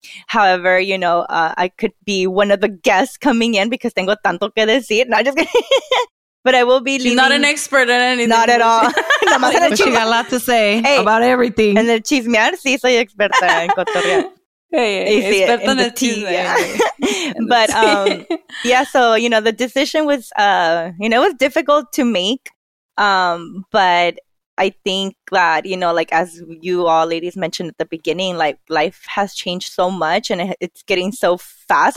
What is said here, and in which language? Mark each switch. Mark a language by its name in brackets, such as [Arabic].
[English] However, you know, I could be one of the guests coming in because [Spanish] tengo tanto que decir. [English] No, I'm just kidding. But I will be leaving. She's not an expert in anything. Not at all. But she got a lot to say about everything. [Spanish] En el chismear, sí, soy experta en cotorrear. Hey, experta en el tea. [English] But, yeah, so, you know, the decision was, you know, it was difficult to make. But I think that, you know, like as you all ladies mentioned at the beginning, like life has changed so much and it's getting so fast.